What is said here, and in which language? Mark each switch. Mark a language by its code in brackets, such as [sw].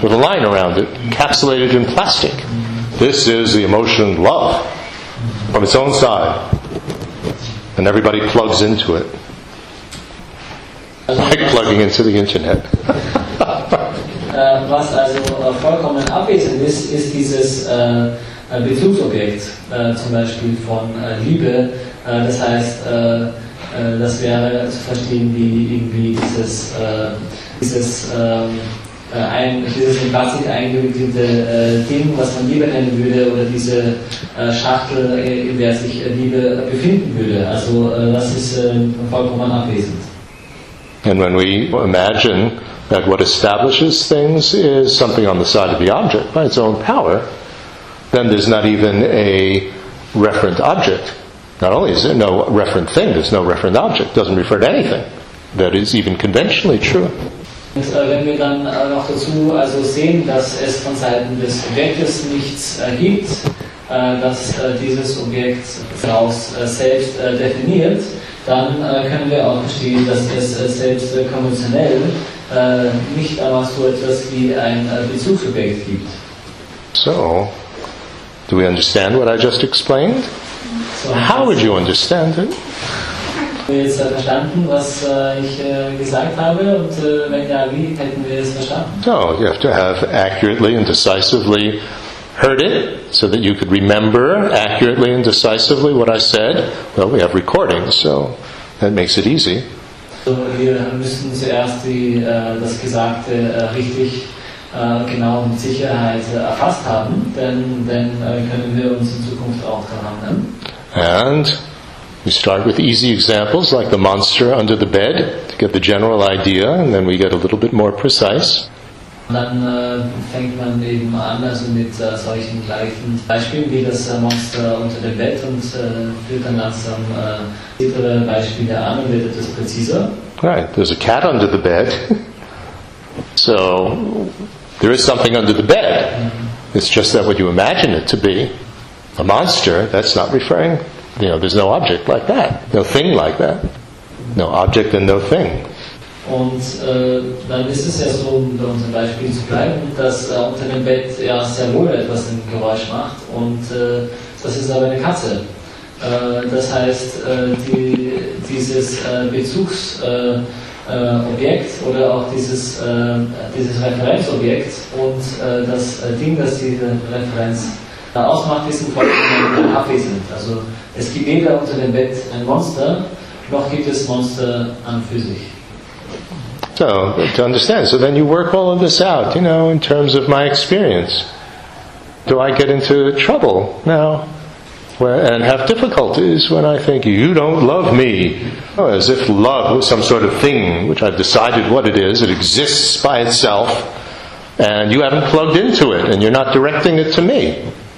[en] With a line around it, encapsulated in plastic. This is the emotion love, from its own side, and everybody plugs into it, like plugging into the internet. [de] Was also vollkommen abwesend ist, ist dieses Bezugsobjekt, zum Beispiel von Liebe. Das heißt, das wäre zu verstehen wie irgendwie dieses dieses in Plastik eingewickelte Ding, was man Liebe nennen würde, oder diese Schachtel, in der sich Liebe befinden würde. Also das ist vollkommen abwesend. [en] And when we imagine that what establishes things is something on the side of the object by its own power, then there's not even a referent object. Not only is there no referent thing, there's no referent object. It doesn't refer to anything. That is even conventionally true. [de] Und wenn wir dann noch dazu also sehen, dass es von Seiten des Objektes nichts gibt, dass dieses Objekt daraus selbst definiert, dann können wir auch verstehen, dass es selbst konventionell nicht einmal so etwas wie ein Bezugsobjekt gibt. [en] So, do we understand what I just explained? How would you understand it? [de] Haben wir jetzt verstanden, was ich gesagt habe? Und wenn ja, wie hätten wir es verstanden? [en] No, you have to have accurately and decisively heard it, so that you could remember accurately and decisively what I said. Well, we have recordings, so that makes it easy. [de] So, wir müssen zuerst das Gesagte richtig genau und mit Sicherheit erfasst haben, denn können wir uns in Zukunft auch daran erinnern. [en] And we start with easy examples like the monster under the bed to get the general idea, and then we get a little bit more precise. [de] Und dann fängt man eben an, also mit solchen gleichen Beispielen wie das Monster unter dem Bett, und führt dann langsam weitere Beispiele an und wird etwas präziser. [en] Right, there's a cat under the bed. So, there is something under the bed. It's just that what you imagine it to be, a monster, that's not referring, you know, there's no object like that, no thing like that. No object and no thing. [de] Und dann ist es ja so, um bei unserem Beispiel zu bleiben, dass unter dem Bett ja sehr wohl etwas ein Geräusch macht, und das ist aber eine Katze. Das heißt, dieses Bezugsobjekt oder auch dieses Referenzobjekt und das Ding, das diese Referenz ausmacht, ist vollkommen abwesend. Also es gibt weder unter dem Bett ein Monster, noch gibt es Monster an für sich. [en] So, to understand. So then you work all of this out, you know, in terms of my experience. Do I get into trouble now and have difficulties when I think, you don't love me? Oh, as if love was some sort of thing, which I've decided what it is, it exists by itself, and you haven't plugged into it, and you're not directing it to me.